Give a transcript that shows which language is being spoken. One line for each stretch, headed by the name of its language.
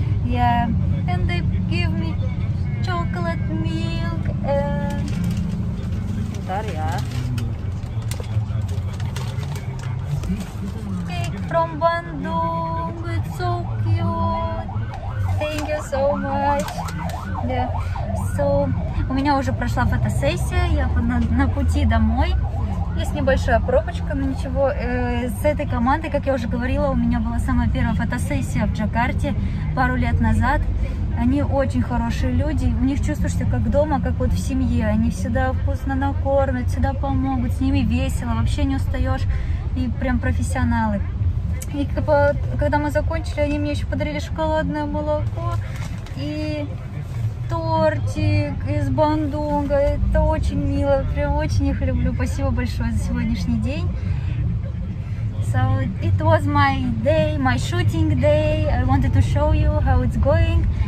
English: Yeah, and they give me chocolate milk and Daria cake from Bandung. It's so cute. Thank you so much. Yeah.
Russian: So, у меня уже прошла фотосессия, я на пути домой. Есть небольшая пробочка, но ничего. С этой командой, как я уже говорила, у меня была самая первая фотосессия в Джакарте пару лет назад. Они очень хорошие люди, у них чувствуешься как дома, как вот в семье. Они всегда вкусно накормят, всегда помогут, с ними весело, вообще не устаешь. И прям профессионалы. И когда мы закончили, они мне еще подарили шоколадное молоко и... тортик из Бандунга. Это очень мило. Прям очень их люблю. Спасибо большое за сегодняшний день.
English: So, it was my day, my shooting day. I wanted to show you how it's going.